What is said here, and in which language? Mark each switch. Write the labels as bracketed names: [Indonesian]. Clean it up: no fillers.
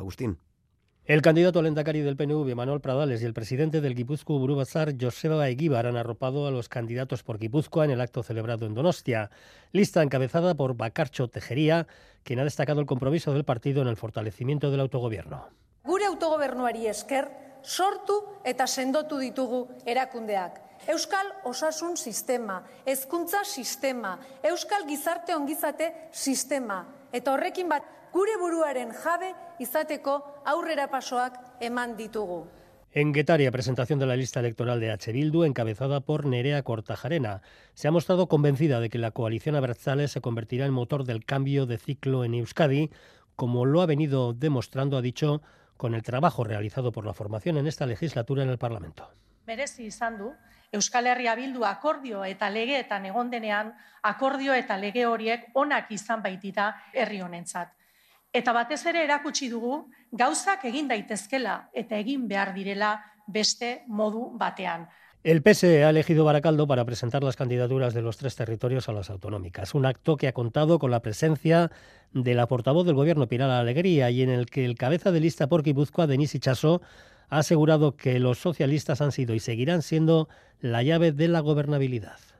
[Spanish] Agustín. El candidato al Lehendakari del PNV, Manuel Pradales, y el presidente del Guipúzcoa Burubatzar, Joseba Egibar, han arropado a los candidatos por Guipúzcoa en el acto celebrado en Donostia. Lista encabezada por Bakartxo Tejeria, quien ha destacado el compromiso del partido en el fortalecimiento del autogobierno. [Basque] Gure autogobernuari esker, sortu eta sendotu ditugu erakundeak. Euskal osasun sistema, hezkuntza sistema, euskal gizarte ongizate sistema. Eta horrekin bat, gure buruaren jabe izateko aurrera pasoak eman ditugu. [Spanish] En Getaria, presentación de la lista electoral de H. Bildu, encabezada por Nerea Cortajarena. Se ha mostrado convencida de que la coalición abertzale se convertirá en motor del cambio de ciclo en Euskadi, como lo ha venido demostrando, ha dicho, con el trabajo realizado por la formación en esta legislatura en el Parlamento. [Basque] Merezi izan du, Euskal Herria Bildu akordio eta legeetan egon denean, akordio eta lege horiek onak izan baitira herri honentzat. Eta batez ere erakutsi dugu, gauzak egin daitezkela eta egin behar direla beste modu batean. [Spanish] El PSE ha elegido Baracaldo para presentar las candidaturas de los tres territorios a las autonómicas. Un acto que ha contado con la presencia de la portavoz del gobierno, Pilar Alegría, y en el que el cabeza de lista por Guipúzcoa, Denis Itxaso, ha asegurado que los socialistas han sido y seguirán siendo la llave de la gobernabilidad.